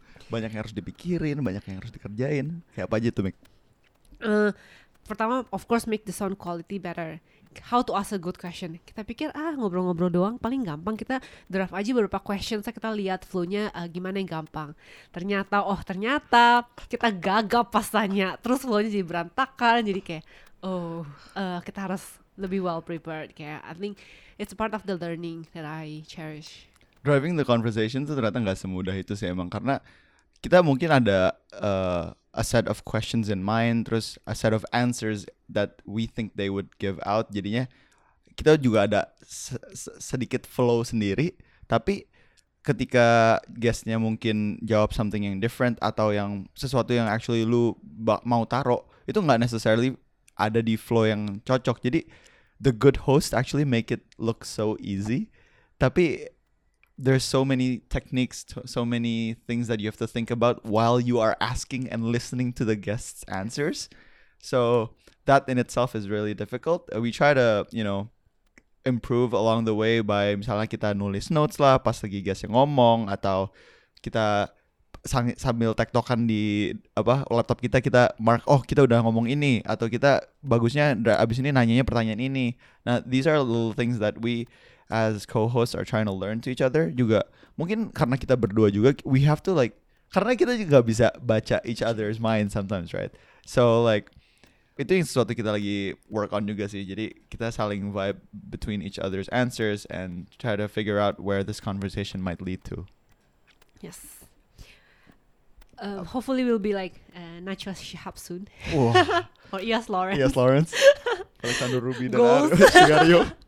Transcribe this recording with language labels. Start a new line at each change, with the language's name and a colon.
Indonesian: Banyak yang harus dipikirin, banyak yang harus dikerjain. Kayak apa aja tuh, Mik?
English: Pertama, of course, make the sound quality better. How to ask a good question.
Indonesian: Kita pikir, ngobrol-ngobrol doang, paling gampang. Kita draft aja beberapa questions, kita lihat flow-nya gimana yang gampang. Ternyata kita gagap pas tanya. Terus flow-nya jadi berantakan, jadi kayak, kita harus lebih well-prepared.
English: Kayak, I think it's part of the learning that I cherish. Driving the conversation
Indonesian: tuh ternyata gak semudah itu sih emang, karena kita mungkin ada
English: a set of questions in mind, terus a set of answers that we think they would give out.
Indonesian: Jadinya kita juga ada sedikit flow sendiri, tapi ketika guestnya mungkin jawab something yang different atau yang sesuatu yang actually lu mau taro, itu gak necessarily ada di flow yang cocok.
English: Jadi the good host actually make it look so easy, tapi there's so many techniques, so many things that you have to think about while you are asking and listening to the guests' answers. So that in itself is really difficult. We try to, you know, improve along the way by
Indonesian: misalnya kita nulis notes lah pas lagi guest yang ngomong, atau kita sambil tektokan di laptop kita mark, kita udah ngomong ini, atau kita bagusnya abis ini nanyanya pertanyaan ini.
English: Nah, these are little things that we as co-hosts are trying to learn to each other.
Indonesian: Juga mungkin karena kita berdua juga,
English: we have to like,
Indonesian: karena kita juga bisa baca
English: each other's mind sometimes, right?
Indonesian: So like, itu yang sesuatu kita lagi work on juga sih. Jadi kita saling
English: vibe between each other's answers and try to figure out where this conversation might lead to. Yes. Hopefully we'll be like Najwa Shihab soon. Wow. Or Yas Lawrence. Yas Lawrence. Alexander Ruby dan Sigario.